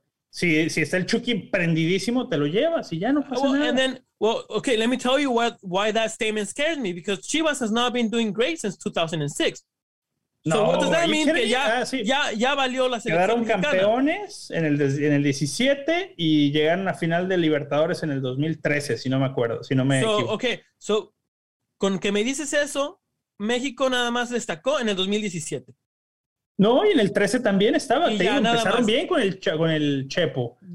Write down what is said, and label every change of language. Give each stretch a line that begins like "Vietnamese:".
Spanish: Si está el Chucky prendidísimo, te lo llevas y ya no pasa nada.
English: Okay, let me tell you why that statement scares me, because Chivas has not been doing great since 2006. No, so what does that mean?
Spanish: Ya valió la selección. Quedaron campeones en el 17 y llegaron a final de Libertadores en el 2013, si no me equivoco.
English: Okay, so
Spanish: con que me dices eso, México nada más destacó en el 2017. No, y en el 13 también estaba. Empezaron bien con el Chepo.